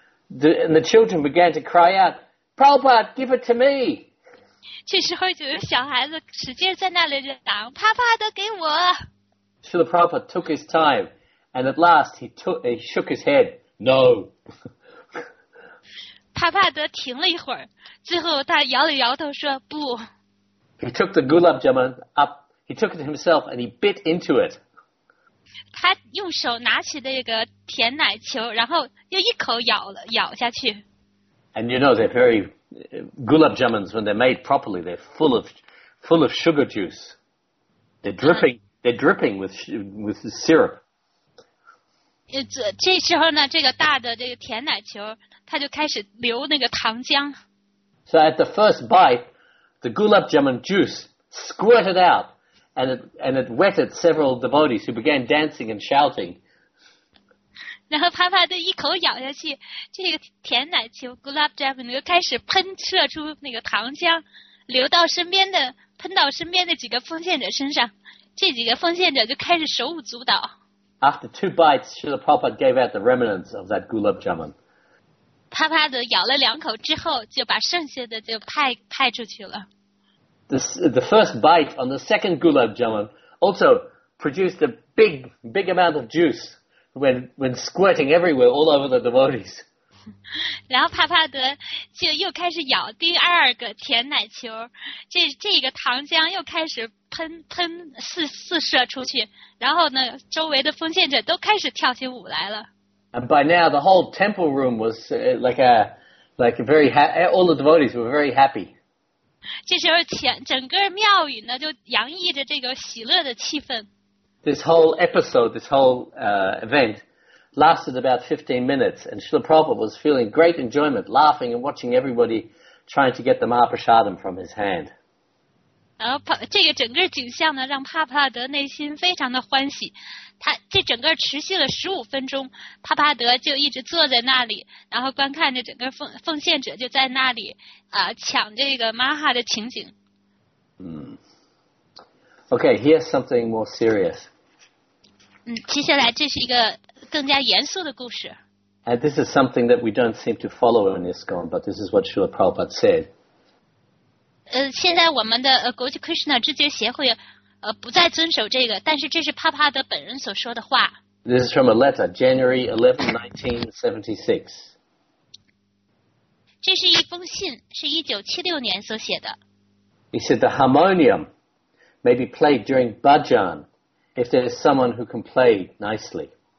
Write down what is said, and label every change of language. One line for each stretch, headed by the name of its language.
English: And the children began to cry out, "Prabhupada, give it to me!"
Chinese: 这时候就有小孩子使劲在那里嚷，帕帕的给我！
English: So the Prabhupada took his time, and at last he shook his head, "No."
Chinese: 帕帕德停了一会儿，最后他摇了摇头说，不。
English: He took the gulab jamun up, He took it himself and he bit into it.
Chinese: 他用手拿起那个甜奶球，然后又一口咬了咬下去。
English: And you know they're very gulab jamuns when they're made properly. They're full of sugar juice. They're dripping.、They're dripping with syrup.
Chinese: 这时候呢，这个大的这个甜奶球，它就开始流那个糖浆。
English: So at the first bite, the gulab jamun juice squirted out, and it wetted several devotees who began dancing and shouting.
Chinese: 然后啪啪的一口咬下去，这个甜奶球 gulab jamun 就开始喷射出那个糖浆，流到身边的喷到身边的几个奉献者身上。这几个奉献者就开始手舞足蹈。
English: After two bites, Srila Prabhupada gave out the remnants of that gulab jamun.
Chinese: 啪啪的咬了两口之后，就把剩下的就派出去了。
English: The first bite on the second gulab jamun also produced a big amount of juice when squirting everywhere all over the devotees.
Chinese: 然后帕帕德就又开始咬第二个甜奶球，这个糖浆又开始喷四射出去，然后呢，周围的奉献者都开始跳起舞来了。
English: And by now, the whole temple room was like a very happy. All the devotees were very happy.
Chinese: 这时候整个庙宇呢，就洋溢着这个喜乐的气氛。
English: This whole episode, this whole event. Lasted about 15 minutes, and Srila Prabhupada was feeling great enjoyment, laughing and watching everybody trying to get the Mahaprasadam from his hand.
Chinese: 然后这个整个景象呢，让帕帕德内心非常的欢喜。他这整个持续了15分钟，帕帕德就一直坐在那里，然后观看着整个奉献者就在那里抢这个玛哈的情景。
English: Okay, here's something more serious.
Chinese: 接下来这是一个。更加严肃的故事。
English: And this is something that we don't seem to follow in ISKCON, but this is what Srila Prabhupada said.
Chinese: 现在我们的Goji Krishna 知觉协会不再遵守这个，但是这是帕帕德本人所说的话。
English: This is from a letter, January 11, 1976.
Chinese: 这是一封信，是1976年所写的。
English: He said the harmonium may be played during bhajan if there is someone who can play nicely.